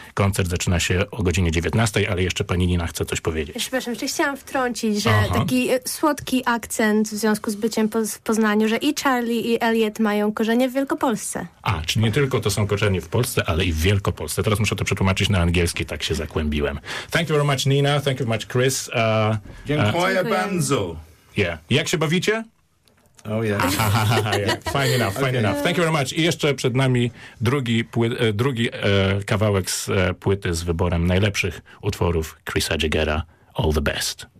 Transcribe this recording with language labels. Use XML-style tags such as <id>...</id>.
<pl>Koncert zaczyna się o godzinie 19, ale jeszcze pani Nina chce coś powiedzieć. Przepraszam, jeszcze chciałam wtrącić, że taki słodki akcent w związku z byciem w Poznaniu, że i Charlie, i Elliot mają korzenie w Wielkopolsce. A, czyli nie tylko to są korzenie w Polsce, ale i w Wielkopolsce. Teraz muszę to przetłumaczyć na angielski, tak się zakłębiłem.</pl> <en>Thank you very much, Nina. Thank you very much, Chris.</en> <pl>Dziękuję bardzo. Yeah. Jak się bawicie?</pl> <en>Oh, yeah. Fine enough, fine enough. Thank you very much.</en> <pl>I jeszcze przed nami drugi kawałek z płyty z wyborem najlepszych utworów Chrisa Jagera.</pl> <en>All the best.</en>